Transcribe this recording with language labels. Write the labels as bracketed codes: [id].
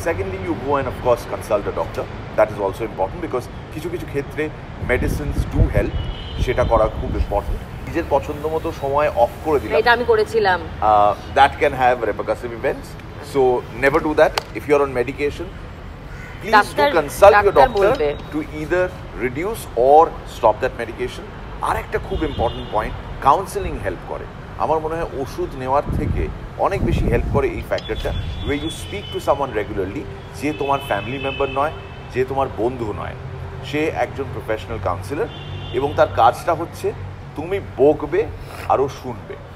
[en] second thing, you go and of course consult a doctor, that is also important, because [bn] কিছু কিছু ক্ষেত্রে [en] medicines do help, [bn] সেটা করা খুব ইম্পর্টেন্ট। নিজের পছন্দ মতো সময় অফ করে দিলাম, এটা আমি করেছিলাম, [en] That can have repercussive events, so never do that if you are on medication. Please do consult your doctor to either reduce or stop that medication. [bn] আর একটা খুব ইম্পর্টেন্ট পয়েন্ট, কাউন্সেলিং হেল্প করে। আমার মনে হয় ওষুধ নেওয়ার থেকে অনেক বেশি হেল্প করে এই ফ্যাক্টরটা, [en] way you speak to someone regularly, [bn] যে তোমার ফ্যামিলি মেম্বার নয়, যে তোমার বন্ধু নয়, সে একজন প্রফেশনাল কাউন্সিলর এবং তার কাজটা হচ্ছে তুমি বকবে আর ও শুনবে।